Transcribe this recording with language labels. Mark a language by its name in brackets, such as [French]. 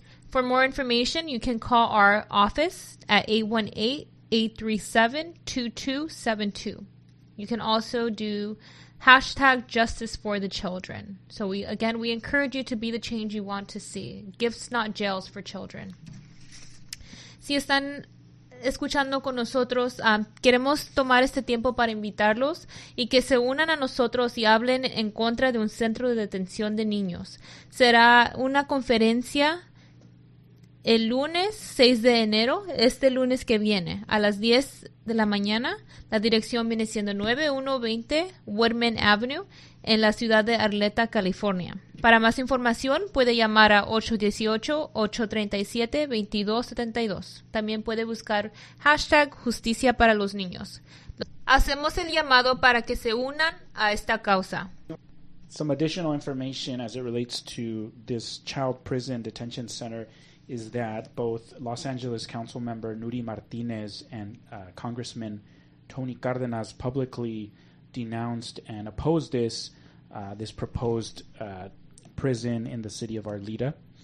[English] For more information, you can call our office at 818-837-2272. You can also do hashtag justice for the children. So we encourage you to be the change you want to see. Gifts, not jails for children. [Spanish] Si están escuchando con nosotros, queremos tomar este tiempo para invitarlos y que se unan a nosotros y hablen en contra de un centro de detención de niños. Será una conferencia el lunes 6 de enero, este lunes que viene, a las 10 de la mañana. La dirección viene siendo 9120 Woodman Avenue en la ciudad de Arleta, California. Para más información, puede llamar a 818-837-2272. También puede buscar hashtag justicia para los niños. Hacemos el llamado para que se unan a esta causa. [English] Some additional information as it relates to this child prison detention center is that both Los Angeles Council Member Nuri Martinez and Congressman Tony Cardenas publicly denounced and opposed this proposed prison in the city of Arleta.